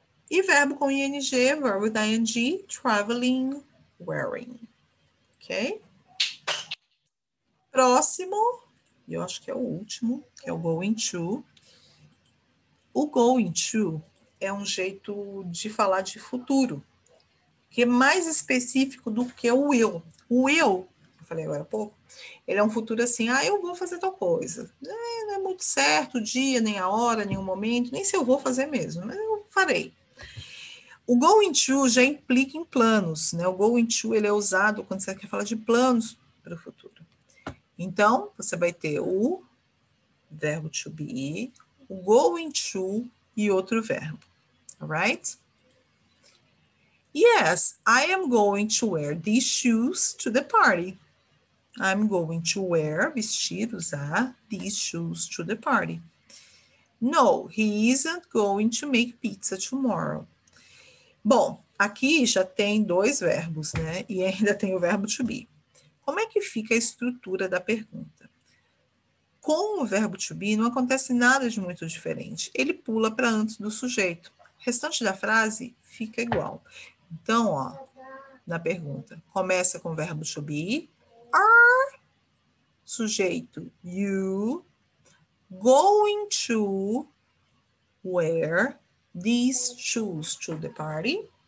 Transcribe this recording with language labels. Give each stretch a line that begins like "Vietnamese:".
Portuguese: E verbo com ing,
English: verb with ing, traveling, wearing. Ok?
Portuguese: Próximo, eu acho que é o último, que é o going to. O going to é um jeito de falar de futuro, que é mais específico do que o will. O will, eu falei agora há pouco, ele é um futuro assim, ah, eu vou fazer tal coisa. Não é muito certo o dia, nem a hora, nem o momento, nem se eu vou fazer mesmo, mas eu farei. O going to já implica em planos, né? O going to ele é usado quando você quer falar de planos, para o futuro. Então, você vai ter o verbo to be, o going to e outro verbo.
English: All right? Yes, I am going to wear these shoes to the party. I'm going to wear,
Portuguese: vestir, usar
English: these shoes to the party. No, he isn't going to make pizza tomorrow.
Portuguese: Bom, aqui já tem dois verbos, né? E ainda tem o verbo to be. Como é que fica a estrutura da pergunta? Com o verbo to be, não acontece nada de muito diferente. Ele pula para antes do sujeito. O restante da frase fica igual. Então, ó, na pergunta, começa com o verbo to be.
English: Sujeito, you going to wear these shoes to the party?